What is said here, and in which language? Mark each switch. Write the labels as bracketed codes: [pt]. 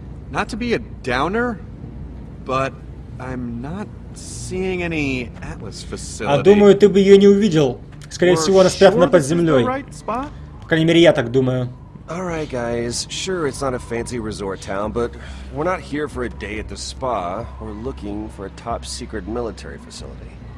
[en] Not to be a downer, but I'm not seeing any Atlas facility. [ru] А думаю, ты бы ее не увидел. Скорее всего, она спрятана под землей. По крайней мере, я так думаю. [en] All right, guys. Sure, it's not a fancy resort town, but we're not here for a day at the spa. We're looking for a top secret military facility.